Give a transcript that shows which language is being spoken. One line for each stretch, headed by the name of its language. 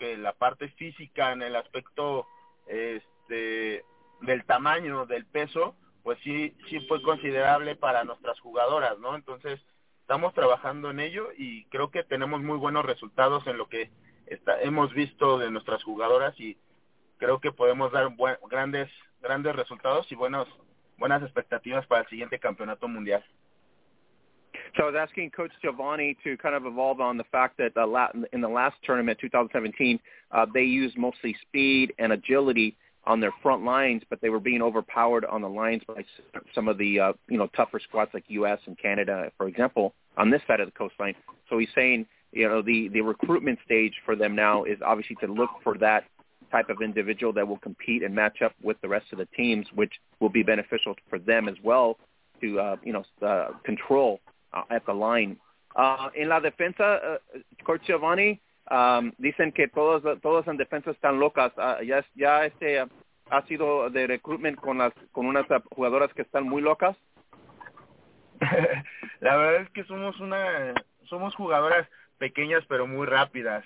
Spanish: Que la parte física en el aspecto del tamaño, del peso, pues sí fue considerable para nuestras jugadoras, ¿no? Entonces, estamos trabajando en ello y creo que tenemos muy buenos resultados en lo que hemos visto de nuestras jugadoras y creo que podemos dar grandes resultados y buenas expectativas para el siguiente campeonato mundial.
English: So I was asking Coach Giovanni to kind of evolve on the fact that in the last tournament, 2017, they used mostly speed and agility on their front lines, but they were being overpowered on the lines by some of the tougher squads like U.S. and Canada, for example, on this side of the coastline. So he's saying, you know, the recruitment stage for them now is obviously to look for that type of individual that will compete and match up with the rest of the teams, which will be beneficial for them as well to, control at the line.
Spanish: En la defensa, Coach Giovanni, dicen que todos en defensa están locas. Ha sido de recruitment con unas jugadoras que están muy locas. La verdad es que somos jugadoras pequeñas pero muy rápidas.